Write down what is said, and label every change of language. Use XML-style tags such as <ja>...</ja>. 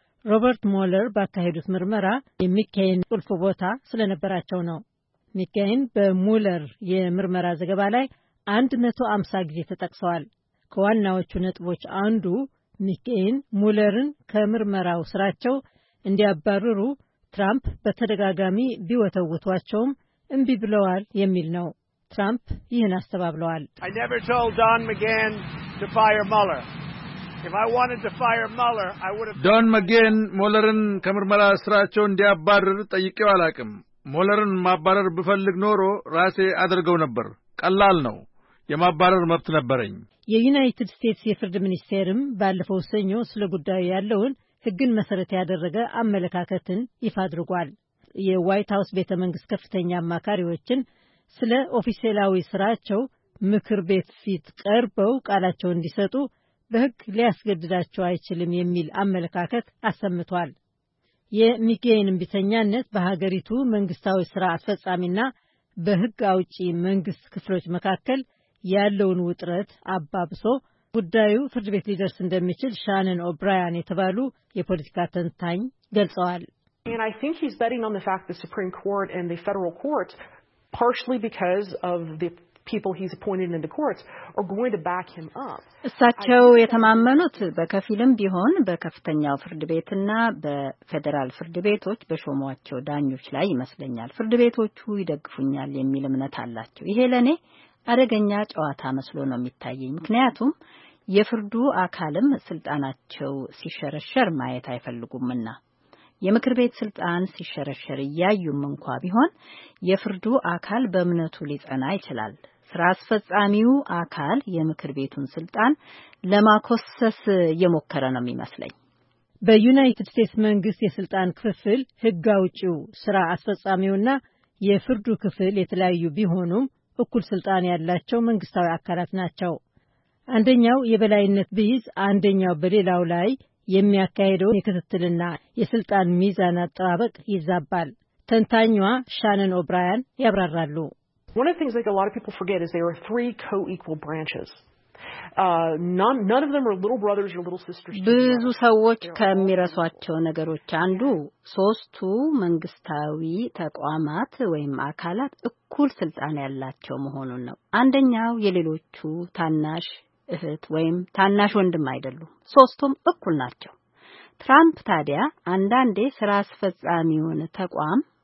<am>ሮበርት ሞለር ባካሄዱት ምርመራ የሚካሄን ቁልፍ ቦታ ስለነበራቸው ነው። ሚካሄን በሙለር የምርመራ ዘገባ ላይ 150 ጊዜ ተጠቅሰዋል። ከዋናዎቹ ነጥቦች አንዱ ሚካሄን ሙለርን ከምርመራው ስራቸው እንዲያባርሩ ትራምፕ በተደጋጋሚ ቢወተውቷቸውም እምቢ ብለዋል የሚል ነው። ትራምፕ ይህን አስተባብለዋል።</am> <en>I never told Don McGahn to fire Mueller. If I wanted to fire Mueller, I would have</en> <am>Don McGahn ሞለርን ከምርመራ ስራቸው እንዲያባርር ጠይቄው አላቅም። ሞለርን ማባረር ብፈልግ ኖሮ ራሴ አድርገው ነበር። ቀላል ነው። የማባረር መብት ነበረኝ። የዩናይትድ ስቴትስ የፍርድ ሚኒስቴርም ባለፈው ሰኞ ስለ ጉዳዩ ያለውን ሕግን መሰረት ያደረገ አመለካከትን ይፋ አድርጓል። የዋይት ሃውስ ቤተ መንግስት ከፍተኛ አማካሪዎችን ስለ ኦፊሴላዊ ስራቸው ምክር ቤት ፊት ቀርበው ቃላቸው እንዲሰጡ በሕግ ሊያስገድዳቸው አይችልም የሚል አመለካከት አሰምቷል። የሚጌን እምቢተኛነት በሀገሪቱ መንግስታዊ ስራ አስፈጻሚና በሕግ አውጪ መንግስት ክፍሎች መካከል ያለውን ውጥረት አባብሶ ጉዳዩ ፍርድ ቤት ሊደርስ እንደሚችል ሻነን ኦብራያን የተባሉ የፖለቲካ ተንታኝ ገልጸዋል።</am> <en>And I think he's betting on the fact the Supreme Court and the federal court partially because of the people he's appointed in the courts are going to back him up.</en> <am>እሳቸው የተማመኑት በከፊልም ቢሆን በከፍተኛው ፍርድ ቤትና በፌደራል ፍርድ ቤቶች በሾሟቸው ዳኞች ላይ ይመስለኛል። ፍርድ ቤቶቹ ይደግፉኛል የሚል እምነት አላቸው። ይሄ ለኔ አደገኛ ጨዋታ መስሎ ነው የሚታየኝ። ምክንያቱም የፍርዱ አካልም ስልጣናቸው ሲሸረሸር ማየት አይፈልጉምና የምክር ቤት ስልጣን ሲሸረሸር ያዩም እንኳን ቢሆን የፍርዱ አካል በእምነቱ ሊጸና ይችላል። ስራ አስፈጻሚው አካል የምክር ቤቱን ስልጣን ለማኮሰስ የሞከረ ነው የሚመስለኝ። በዩናይትድ ስቴትስ መንግስት የስልጣን ክፍፍል ህግ አውጪው ስራ አስፈጻሚውና የፍርዱ ክፍል የተለያዩ ቢሆኑም እኩል ስልጣን ያላቸው መንግስታዊ አካላት ናቸው። አንደኛው የበላይነት ቢይዝ አንደኛው በሌላው ላይ የሚያካሄደው የክትትልና የስልጣን ሚዛን አጠባበቅ ይዛባል። ተንታኟ ሻነን ኦብራያን ያብራራሉ።</am> <en>One of the things that a lot of people forget is there are three co-equal branches. None of them are little brothers or little sisters.</en> <am>ብዙ ሰዎች ከሚረሷቸው ነገሮች አንዱ ሶስቱ መንግስታዊ ተቋማት ወይም አካላት እኩል ስልጣን ያላቸው መሆኑን ነው። አንደኛው የሌሎቹ ታናሽ እህት ወይም ታናሽ ወንድም አይደሉም። ሶስቱም እኩል ናቸው። ትራምፕ ታዲያ አንዳንዴ ስራ አስፈጻሚውን ተቋም</am>